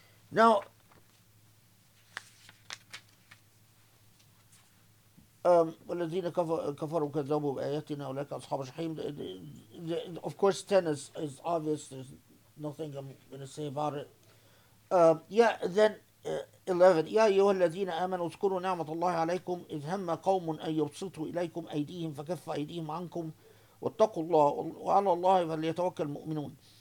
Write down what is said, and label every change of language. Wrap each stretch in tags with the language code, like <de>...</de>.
<ar>Now, والذين كفروا كذبوا بآياتنا أولئك أصحاب الجحيم.</ar> <en>Of course, 10 is obvious. There's nothing I'm going to say about it. Then 11.</en> <ar>يا أيها الذين آمنوا اذكروا نعمة الله عليكم إذ هم قوم أن يبسطوا إليكم أيديهم فكف أيديهم عنكم واتقوا الله وعلى الله فليتوكل المؤمنون.</ar>